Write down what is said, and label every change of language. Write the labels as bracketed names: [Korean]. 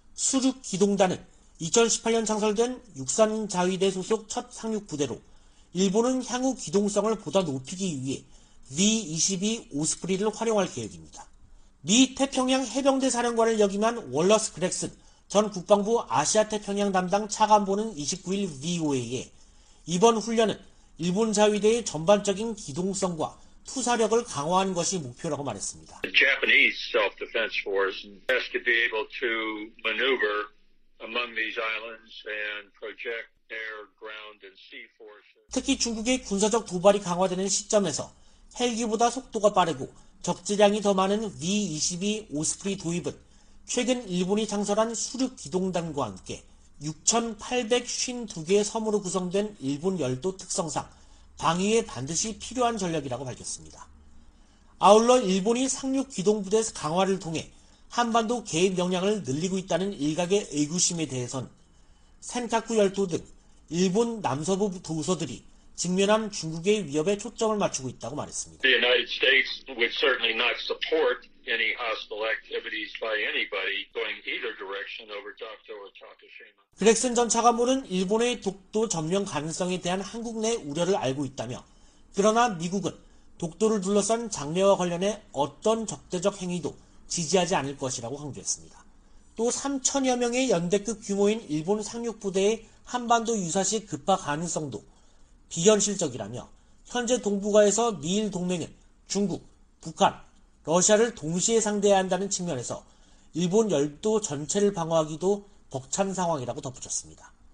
[Korean] 수륙기동단은 2018년 창설된 육상자위대 소속 첫 상륙부대로 일본은 향후 기동성을 보다 높이기 위해 V-22 오스프리를 활용할 계획입니다. 미 태평양 해병대 사령관을 역임한 월러스 그렉슨 전 국방부 아시아태평양 담당 차관보는 29일 VOA에 이번 훈련은 일본 자위대의 전반적인 기동성과 투사력을 강화하는 것이 목표라고 말했습니다. [English] The Japanese Self-Defense Force has to be able to maneuver among these islands and project air, ground, and sea forces. [Korean] 특히 중국의 군사적 도발이 강화되는 시점에서 헬기보다 속도가 빠르고 적재량이 더 많은 V-22 오스프리 도입은 최근 일본이 창설한 수륙 기동단과 함께 6,852개의 섬으로 구성된 일본 열도 특성상 방위에 반드시 필요한 전력이라고 밝혔습니다. 아울러 일본이 상륙 기동부대 강화를 통해 한반도 개입 역량을 늘리고 있다는 일각의 의구심에 대해선 센카쿠 열도 등 일본 남서부 도서들이 직면한 중국의 위협에 초점을 맞추고 있다고 말했습니다. [English] The United States would certainly not support any hostile activities by anybody going either direction over Dokdo or Takashima. [Korean] 그렉슨 전 차관보는 일본의 독도 점령 가능성에 대한 한국 내 우려를 알고 있다며 그러나 미국은 독도를 둘러싼 장래와 관련해 어떤 적대적 행위도 지지하지 않을 것이라고 강조했습니다. 또 3천여 명의 연대급 규모인 일본 상륙부대의 한반도 유사시 급파 가능성도 비현실적이라며 현재 동북아에서 미일 동맹은 중국, 북한, 러시아를 동시에 상대해야 한다는 측면에서 일본 열도 전체를 방어하기도 벅찬 상황이라고 덧붙였습니다.